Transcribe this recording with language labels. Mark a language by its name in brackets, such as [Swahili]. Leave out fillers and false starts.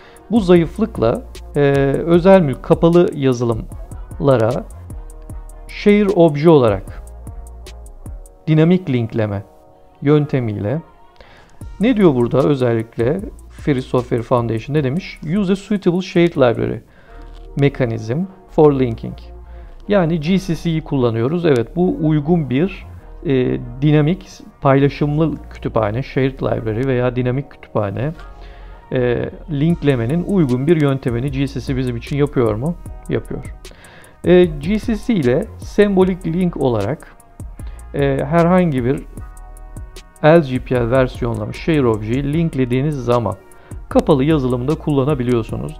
[Turkish] Bu zayıflıkla özel mülk kapalı yazılımlara share obje olarak dinamik linkleme yöntemiyle ne diyor burada özellikle Free Software Foundation ne demiş? [English] Use a suitable shared library mechanism for linking. [Turkish] Yani GCC'yi kullanıyoruz. Evet, bu uygun bir dinamik paylaşımlı kütüphane, shared library veya dinamik kütüphane linklemenin uygun bir yöntemini GCC bizim için yapıyor mu? Yapıyor. GCC ile sembolik link olarak herhangi bir LGPL versiyonlama share objeyi linklediğiniz zaman kapalı yazılımda kullanabiliyorsunuz.